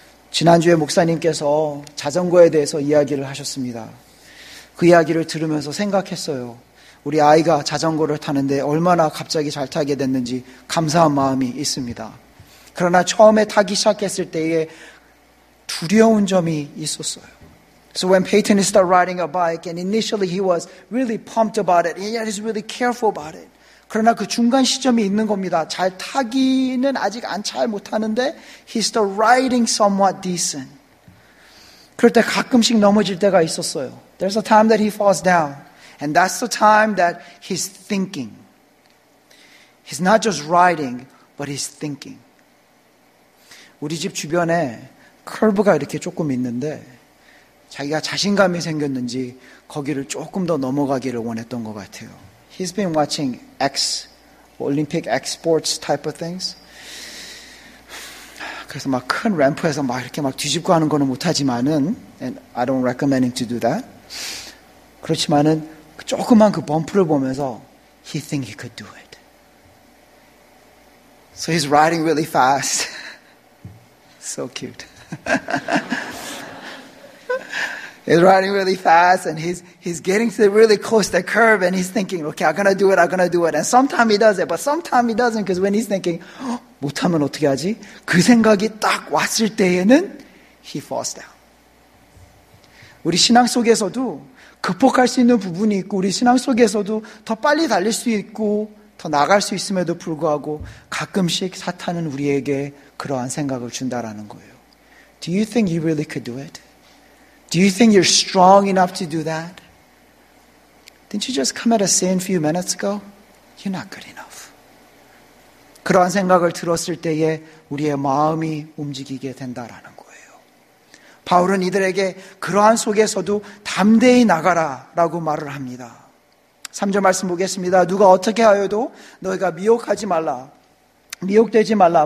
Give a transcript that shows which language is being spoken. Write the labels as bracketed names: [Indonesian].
[Korean] 지난주에 목사님께서 자전거에 대해서 이야기를 하셨습니다. 그 이야기를 들으면서 생각했어요. 우리 아이가 자전거를 타는데 얼마나 갑자기 잘 타게 됐는지 감사한 마음이 있습니다. 그러나 처음에 타기 시작했을 때에 두려운 점이 있었어요. [English] So when Peyton started riding a bike, and initially he was really pumped about it, and he was really careful about it. [Korean] 그러나 그 중간 시점이 있는 겁니다. 잘 타기는 아직 안 잘 못하는데 [English] he started riding somewhat decent. [Korean] 그럴 때 가끔씩 넘어질 때가 있었어요. [English] There's a time that he falls down. And that's the time that he's thinking. He's not just riding, but he's thinking. [Korean] 우리 집 주변에 커브가 이렇게 조금 있는데 자기가 자신감이 생겼는지 거기를 조금 더 넘어가기를 원했던 것 같아요. [English] He's been watching X, Olympic X sports type of things. [Korean] 그래서 막 큰 램프에서 막 이렇게 막 뒤집고 하는 거는 못하지만은, [English] and I don't recommend him to do that. [Korean] 그렇지만은 그 조그만 그 범프를 보면서 [English] he think he could do it. So he's riding really fast. So cute. He's riding really fast and he's getting to really close to the curb and he's thinking, okay, I'm gonna do it, I'm gonna do it. And sometimes he does it, but sometimes he doesn't because when he's thinking, [Korean] 못하면 어떻게 하지? 그 생각이 딱 왔을 때에는 [English] he falls down. [Korean] 우리 신앙 속에서도 극복할 수 있는 부분이 있고 우리 신앙 속에서도 더 빨리 달릴 수 있고 더 나갈 수 있음에도 불구하고 가끔씩 사탄은 우리에게 그러한 생각을 준다라는 거예요. [English] Do you think you really could do it? Do you think you're strong enough to do that? Didn't you just commit a sin a few minutes ago? You're not good enough. [Korean] 그러한 생각을 들었을 때에 우리의 마음이 움직이게 된다라는 거예요. 바울은 이들에게 그러한 속에서도 담대히 나가라라고 말을 합니다. 3절 말씀 보겠습니다. 누가 어떻게 하여도 너희가 미혹하지 말라. 미혹되지 말라.